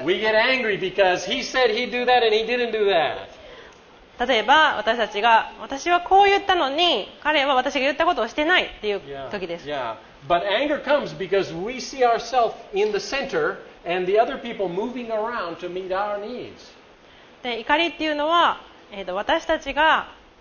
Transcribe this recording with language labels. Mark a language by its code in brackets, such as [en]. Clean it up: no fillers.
[en] We get angry because he said he'd do that and he didn't do that. [ja] 例えば私たちが私はこう言ったのに彼は私が言ったことをしてないっていう時です。 [en] Yeah. Yeah. But anger comes because we see ourselves in the center and the other people moving around to meet our needs. [ja] で怒りっていうのは、私たちが